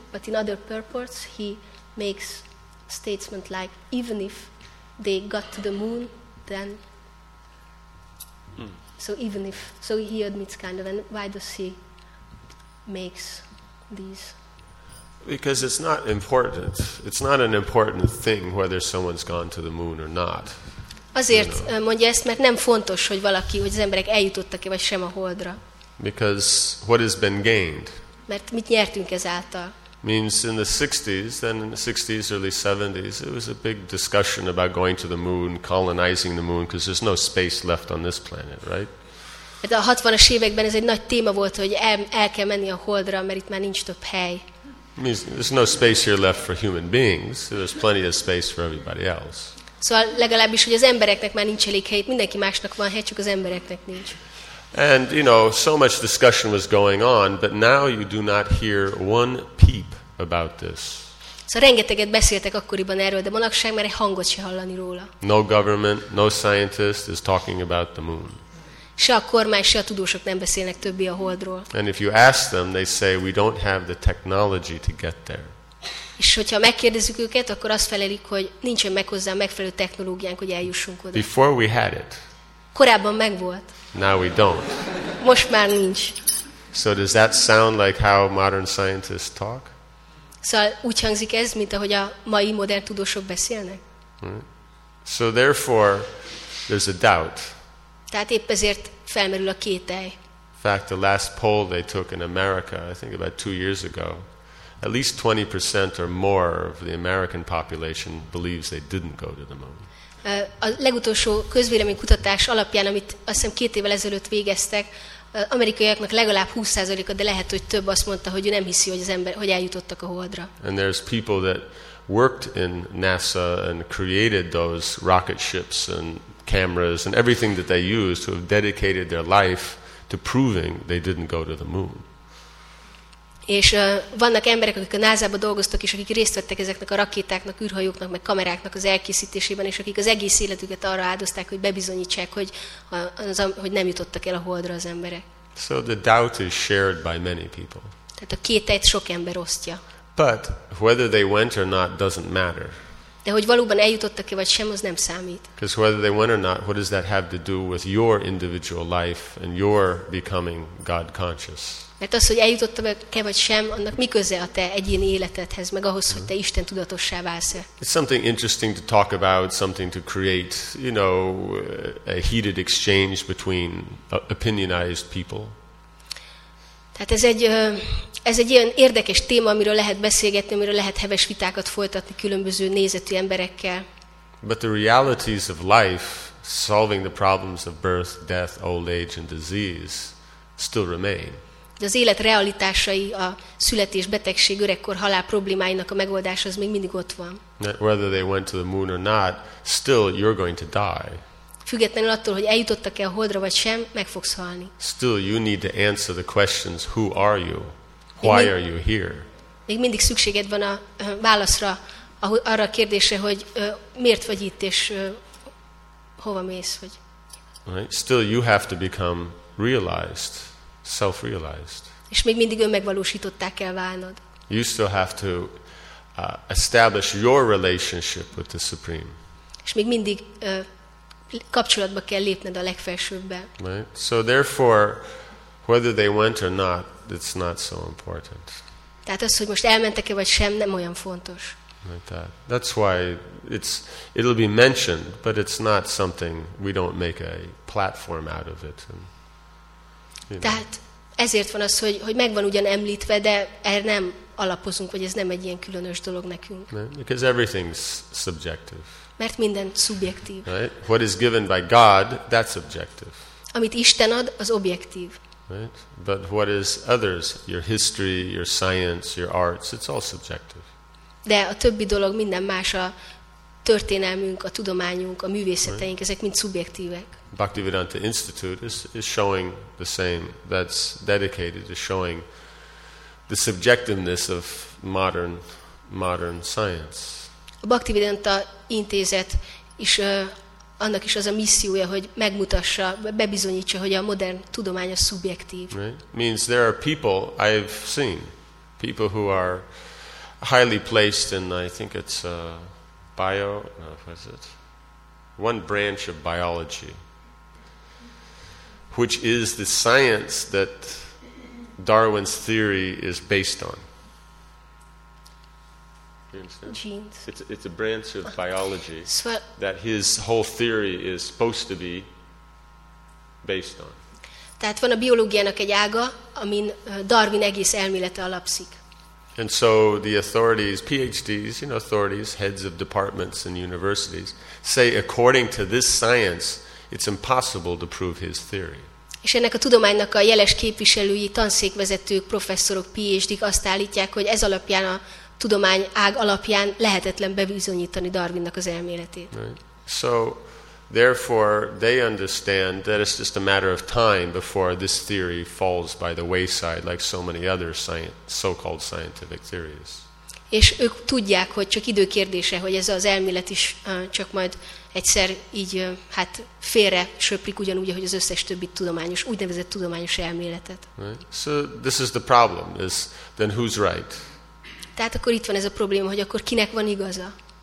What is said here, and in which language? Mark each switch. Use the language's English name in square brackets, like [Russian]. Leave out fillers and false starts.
[English] But in other purports, he makes statements like, even if they got to the moon, then... So he admits kind of, and why does he makes these? Because it's not important. It's not an important thing whether someone's gone to the moon or not. [Hungarian] Azért mondja ezt, mert nem fontos, hogy valaki, hogy az emberek eljutottak-e vagy sem a Holdra. [English] Because what has been gained? [Hungarian] Mert mit nyertünk ezáltal? [English] Means in the 60s, then in the 60s, early 70s, it was a big discussion about going to the moon, colonizing the moon, because there's no space left on this planet, right? [Hungarian] Hát a 60-as években ez egy nagy téma volt, hogy el kell menni a Holdra, mert itt már nincs több hely. [English] Means there's no space here left for human beings, there's plenty of space for everybody else. [Hungarian] Szóval legalábbis, hogy az embereknek már nincs elég hely, mindenki másnak van hely, csak az embereknek nincs. [English] And you know, so much discussion was going on, but now you do not hear one peep about this. [Hungarian] Szóval rengeteget beszéltek akkoriban erről, de manapság már egy hangot se hallani róla. [English] No government, no scientist is talking about the moon. [Hungarian] Se a kormány, se a tudósok nem beszélnek többé a Holdról. [English] And if you ask them, they say we don't have the technology to get there. [Hungarian] És hogyha megkérdezzük őket, akkor azt felelik, hogy nincsen meg hozzá megfelelő technológiánk, hogy eljussunk oda. [English] Before we had it. [Hungarian] Korábban megvolt. [English] Now we don't. [Hungarian] Most már nincs. [English] So does that sound like how modern scientists talk? [Hungarian] Szóval úgy hangzik ez, mint ahogy a mai modern tudósok beszélnek? [English] So therefore, there's a doubt. [Hungarian] Tehát épp ezért felmerül a kétely. [English] In fact, the last poll they took in America, I think about 2 years ago, at least 20% or more of the American population believes they didn't go to the moon. [Hungarian] A legutolsó közvéleménykutatás alapján, amit azt hiszem 2 évvel ezelőtt végeztek, amerikaiaknak legalább 20%-a, de lehet, hogy több azt mondta, hogy ő nem hiszi, hogy az ember, hogy eljutottak a Holdra. [English] And there's people that worked in NASA and created those rocket ships and cameras and everything that they used who have dedicated their life to proving they didn't go to the moon. [Hungarian] És vannak emberek, akik a NASA-ba dolgoztak, és akik részt vettek ezeknek a rakétáknak, űrhajóknak, meg kameráknak az elkészítésében, és akik az egész életüket arra áldozták, hogy bebizonyítsák, hogy, hogy nem jutottak el a Holdra az emberek. [English] So the doubt is shared by many people. [Hungarian] Tehát a kétet sok ember osztja. [English] But whether they went or not doesn't matter. [Hungarian] De hogy valóban eljutottak-e vagy sem, az nem számít. [English] Because whether they went or not, what does that have to do with your individual life and your becoming God conscious? [Hungarian] Mert az, hogy eljutottak-e vagy sem, annak mi köze a te egyéni életedhez, meg ahhoz, hogy te Isten tudatossá válsz-e. [English] It's something interesting to talk about, something to create, you know, a heated exchange between opinionized people. [Hungarian] Tehát ez egy ilyen érdekes téma, amiről lehet beszélgetni, amiről lehet heves vitákat folytatni különböző nézetű emberekkel. [English] But the realities of life, solving the problems of birth, death, old age and disease still remain. [Hungarian] De az élet realitásai, a születés, betegség, öregkor, halál problémáinak a megoldása az még mindig ott van. [English] Whether they went to the moon or not, still you're going to die. [Hungarian] Függetlenül attól, hogy eljutottak-e a Holdra vagy sem, meg fogsz halni. [English] Still you need to answer the questions, who are you? Why are you here? [Hungarian] Még mindig szükséged van a válaszra, arra a kérdésre, hogy miért vagy itt és hova mész, vagy. [English] Right? Still you have to become realized, self-realized. [Hungarian] És még mindig önmegvalósítottá kell válnod. [English] You still have to establish your relationship with the Supreme. [Hungarian] És még mindig kapcsolatba kell lépned a legfelsőbbel. [English] Right? So therefore, whether they went or not, it's not so important. [Hungarian] Tehát az, hogy most elmentek-e vagy sem, nem olyan fontos. [English] Like that. That's why it'll be mentioned, but it's not something we don't make a platform out of it. And, [Hungarian] tehát ezért van az, hogy megvan ugyan említve, de erre nem alapozunk, vagy ez nem egy ilyen különös dolog nekünk. [English] Right? Because everything's subjective. [Hungarian] Mert minden szubjektív. [English] Right? What is given by God, that's objective. [Hungarian] Amit Isten ad, az objektív. [English] Right? But what is others, your history, your science, your arts, it's all subjective. [Hungarian] De a többi dolog, minden más, a történelmünk, a tudományunk, a művészeteink, [English] right? [Hungarian] Ezek mind szubjektívek. [English] Bhaktivedanta Institute is showing the same, that's dedicated to showing the subjectiveness of modern science. [Hungarian] A Bhaktivedanta Intézet is annak is az a missziója, hogy megmutassa, bebizonyítsa, hogy a modern tudomány a szubjektív. [English] Right? Means there are people I've seen, people who are highly placed in, I think it's bio, what is it? One branch of biology, which is the science that Darwin's theory is based on. Genes. It's a branch of biology that his whole theory is supposed to be based on. [Hungarian] Tehát van a biológiának egy ága, amin Darwin egész elmélete alapszik. [English] And so the authorities, PhDs, you know, authorities, heads of departments and universities say according to this science, it's impossible to prove his theory. [Hungarian] És ennek a tudománynak a jeles képviselői, tanszékvezetők, professzorok, PhD-k azt állítják, hogy ez alapján a tudomány ág alapján lehetetlen bebizonyítani Darwinnak az elméletét. [English] Right. So therefore they understand that it's just a matter of time before this theory falls by the wayside like so many other so-called scientific theories. [Hungarian] És ők tudják, hogy csak idő kérdése, hogy ez az elmélet is csak majd egyszer így hát félre söprik ugyanúgy, ahogy az összes többi tudományos, úgynevezett tudományos elméletet. [English] Right. So this is the problem. Then who's right? [Hungarian] Tehát akkor itt van ez a probléma, hogy akkor kinek van igaza?